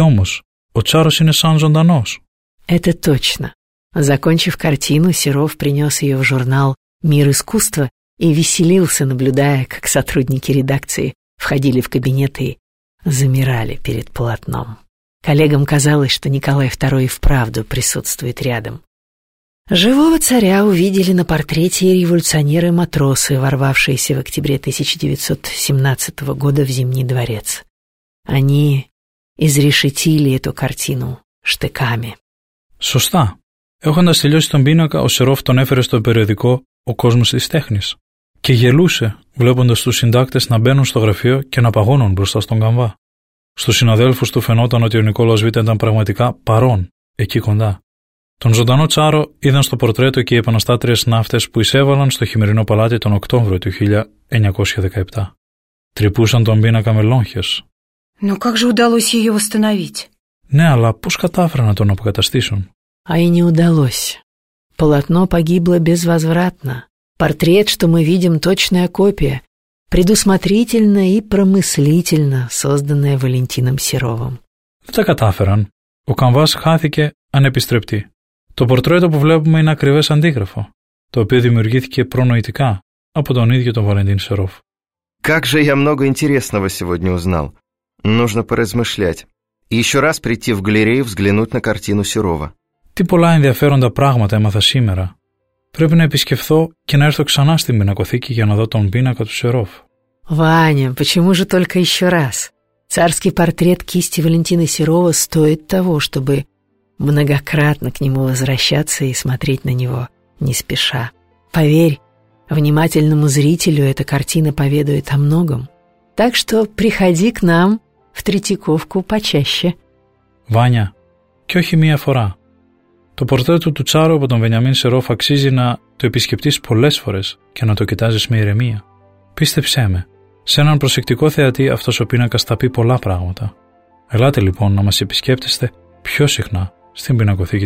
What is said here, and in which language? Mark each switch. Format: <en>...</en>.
<el>όμως, ο τσάρος είναι σαν ζωντανός.</el> <ru>Это точно. Закончив картину, Серов принес ее в журнал «Мир искусства» и веселился, наблюдая, как сотрудники редакции входили в кабинеты и замирали перед полотном. Коллегам казалось, что Николай II и вправду присутствует рядом. Живого царя увидели на портрете революционеры-матросы, ворвавшиеся в октябре 1917 года в Зимний дворец. Они изрешетили эту картину штыками.</ru> <el>Σωστά. Έχοντας τελειώσει τον πίνακα, ο Серов τον έφερε στο περιοδικό «Ο κόσμος της τέχνης» και γελούσε, βλέποντας τους συντάκτες να μπαίνουν στο γραφείο και να παγώνουν μπροστά στον καμβά. Στους συναδέλφους του φαινόταν ότι ο Νικόλαος Β' ήταν πραγματικά παρόν, εκεί κοντά. Τον ζωντανό τσάρο είδαν στο πορτρέτο και οι επαναστάτριες ναύτες που εισέβαλαν στο χειμερινό παλάτι τον Οκτώβριο του 1917. Τρυπούσαν τον πίνακα με λόγχες.</el> <ru>Но как же удалось ее восстановить?</ru> <el>Ναι, αλλά πώς κατάφεραν να τον αποκαταστήσουν?</el> <ru>А и не удалось. Полотно погибло безвозвратно. Портрет, что мы видим, точная копия, предусмотрительно и промыслительно созданная Валентином Серовым.</ru> <el>Δεν τα κατάφεραν. Ο καμβάς χάθηκε ανεπιστρεπτή. Το πορτρέτο που βλέπουμε είναι ακριβές αντίγραφο, το οποίο δημιουργήθηκε προνοητικά από τον ίδιο τον Βαλεντίν Серов.</el> <ru>Как же я много интересного сегодня узнал. Нужно поразмышлять. Еще раз прийти в галерею взглянуть на картину Серова.</ru> <el>Τι πολλά ενδιαφέροντα πράγματα έμαθα σήμερα. Πρέπει να επισκεφθώ και να έρθω ξανά στην πινακοθήκη για να δω τον πίνακα του Серова.</el> <ru>Ваня, почему же только еще раз? Царский портрет кисти Валентина Серова стоит того, чтобы многократно к нему возвращаться и смотреть на него не спеша. Поверь, внимательному зрителю эта картина поведает о многом. Так что приходи к нам в Третьяковку почаще.</ru> <el>Ваня, και όχι μία φορά. Το πορτρέτο του τσάρου από τον Βενιαμίν Σερόφ αξίζει να το επισκεπτείς πολλές φορές και να το κοιτάζεις με ηρεμία. Πίστεψέ με, σε έναν προσεκτικό θεατή αυτός ο πίνακας θα πει πολλά πράγματα. Ελάτε λοιπόν να μας επισκέπτεστε πιο συχνά στην Πινακοθήκη</el>